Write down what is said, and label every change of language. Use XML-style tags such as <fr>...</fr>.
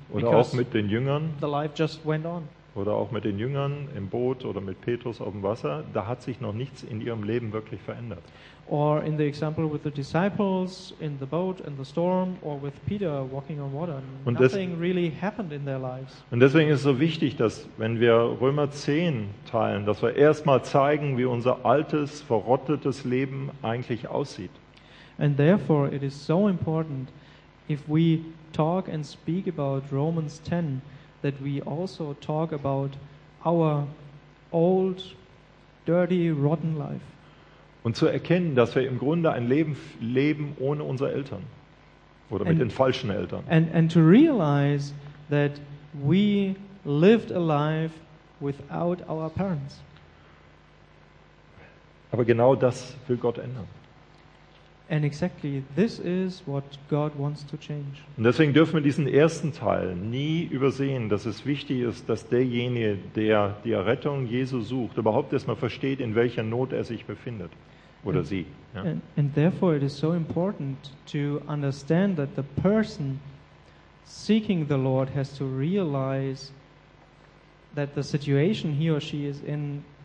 <de>Oder auch mit den Jüngern.</de> <en>The life just went on.</en> <de>Oder auch mit den Jüngern im Boot oder mit Petrus auf dem Wasser, da hat sich noch nichts in ihrem Leben wirklich verändert.</de> <en>Or in the example with the disciples in the boat and the storm, or with Peter walking on water, nothing really happened in their lives.</en> <de>Und deswegen ist es so wichtig, dass wenn wir Römer 10 teilen, dass wir erstmal zeigen, wie unser altes, verrottetes Leben eigentlich aussieht.</de> <en>And therefore it is so important, if we talk and speak about Romans 10, that we also talk about our old, dirty, rotten life.</en> <de>Und zu erkennen, dass wir im Grunde ein Leben leben ohne unsere Eltern oder mit den falschen Eltern.</de> <en>And to realize that we lived a life without our parents.</en> <de>Aber genau das will Gott ändern.</de> <en>And exactly this is what God wants to change.</en> <de>Und deswegen dürfen wir diesen ersten Teil nie übersehen, dass es wichtig ist, dass derjenige, der die Errettung Jesu sucht, überhaupt erstmal versteht, in welcher Not er sich befindet oder sie. Ja.</de> <en>And therefore it is so important to understand that the person seeking the Lord has to realize that the situation he or she is in.</en>